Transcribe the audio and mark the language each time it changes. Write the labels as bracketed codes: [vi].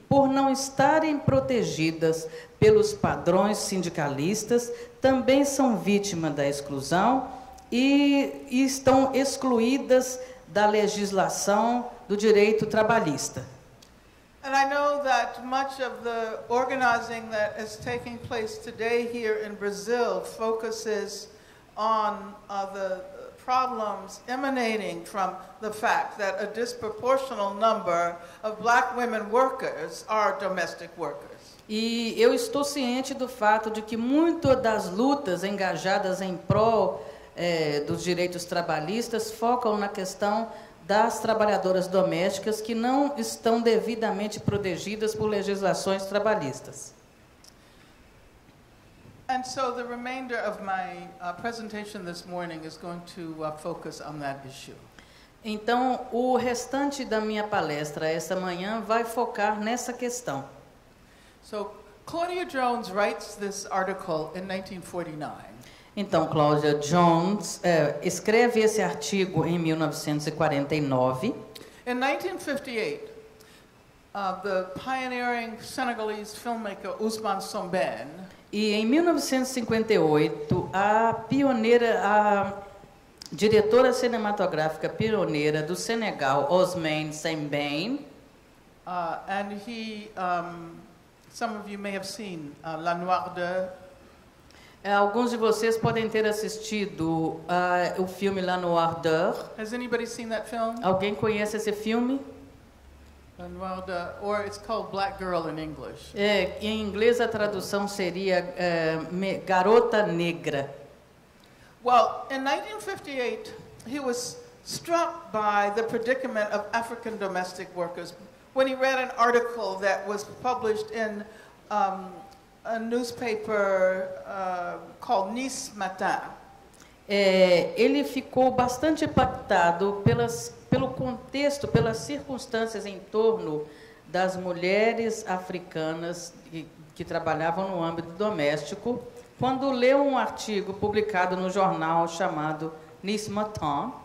[pt] por não estarem protegidas pelos padrões sindicalistas, também são vítimas da exclusão e estão excluídas da legislação do direito trabalhista. [en] And I know that much of the organizing that is taking place today here in Brazil focuses on the problems emanating from the fact that a disproportional number of black women workers are domestic workers. [pt] E eu estou ciente do fato de que muitas das lutas engajadas em prol dos direitos trabalhistas focam na questão das trabalhadoras domésticas que não estão devidamente protegidas por legislações trabalhistas. [en] And so the remainder of my presentation this morning is going to focus on that issue. [pt] Então, o restante da minha palestra esta manhã vai focar nessa questão. [en] So, Claudia Jones writes this article in 1949. [pt] Então, Claudia Jones escreve esse artigo em 1949. [en] In 1958, the pioneering Senegalese filmmaker Ousmane Sonbène. [pt] E em 1958, a diretora cinematográfica pioneira do Senegal, Ousmane Sonbène. [en] And he, some of you may have seen La Noire de. [pt] Alguns de vocês podem ter assistido o filme La Noire d'Or. [en] Has anybody seen that film? [pt] Alguém conhece esse filme? [en] La Noire d'Or, or it's called Black Girl in English. [pt] Em inglês a tradução seria Garota Negra. [en] Well, in 1958, he was struck by the predicament of African domestic workers when he read an article that was published in a newspaper called Nice Matin. [pt] Ele ficou bastante impactado pelo contexto, pelas circunstâncias em torno das mulheres africanas que trabalhavam no âmbito doméstico, quando leu um artigo publicado no jornal chamado Nice Matin.